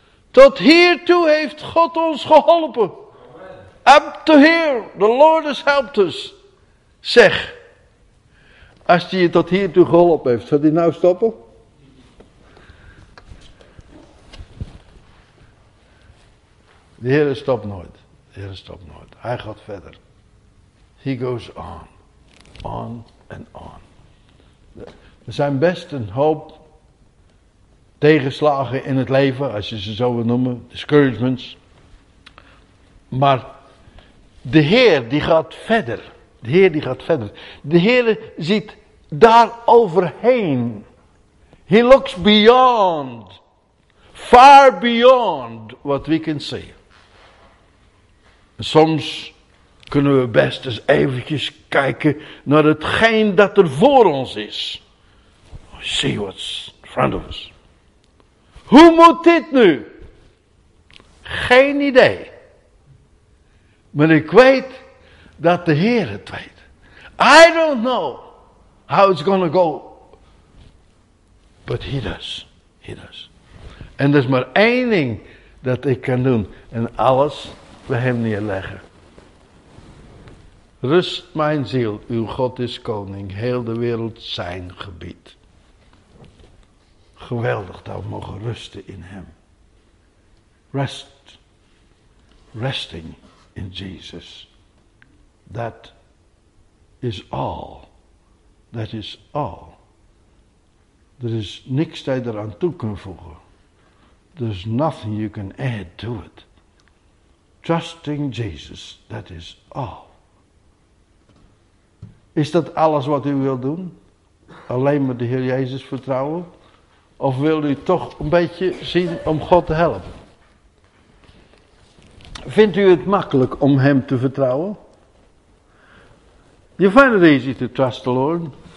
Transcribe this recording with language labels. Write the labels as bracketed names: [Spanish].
[Dutch] Tot hiertoe heeft God ons geholpen. [English] Up to here, the Lord has helped us. [Dutch] Zeg, als hij je tot hiertoe geholpen heeft, zou hij nou stoppen? De Heer stopt nooit. De Heer stopt nooit. Hij gaat verder. [English] He goes on. On and on. [Dutch] Er zijn best een hoop... tegenslagen in het leven, als je ze zo wil noemen, discouragements. Maar de Heer die gaat verder. De Heer die gaat verder. De Heer ziet daar overheen. [English] He looks beyond, far beyond what we can see. [Dutch] Soms kunnen we best eens eventjes kijken naar hetgeen dat er voor ons is. [English] See what's in front of us. [Dutch] Hoe moet dit nu? Geen idee. Maar ik weet dat de Heer het weet. [English] I don't know how it's going to go. But He does. He does. [Dutch] En er is maar één ding dat ik kan doen. En alles bij Hem neerleggen. Rust mijn ziel, uw God is koning. Heel de wereld zijn gebied. Geweldig dat we mogen rusten in Hem. Rest. [English] Resting in Jesus. That is all. That is all. [Dutch] Er is niks dat je eraan toe kunt voegen. [English] There's nothing you can add to it. Trusting Jesus, that is all. [Dutch] Is dat alles wat u wilt doen? Alleen maar de Heer Jezus vertrouwen? Of wil u toch een beetje zien om God te helpen? Vindt u het makkelijk om Hem te vertrouwen? [English] You find it easy to trust the Lord?